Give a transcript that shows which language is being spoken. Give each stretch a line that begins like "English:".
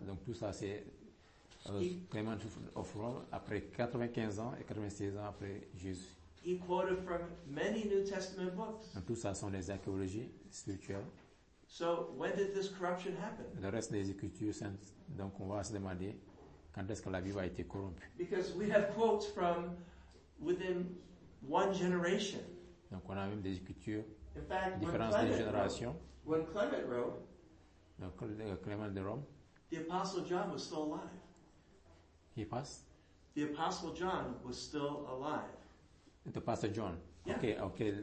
French: Donc tout ça, c'est Clement of Rome après 95 ans et 96 ans après Jésus.
English: He quoted from many New Testament books.
French: Donc tout ça sont des archéologies spirituelles.
English: So when did this corruption happen?
French: Le reste des écritures saintes. Donc on va se demander. Quand est-ce que la Bible a été corrompue?
English: Because we have quotes from within one generation.
French: Donc on a même des écritures différentes des générations.
English: When Clement wrote,
French: donc Clement de Rome,
English: the Apostle John was still alive. He passed. The Apostle John was still alive. The Apostle John. Yeah. Okay.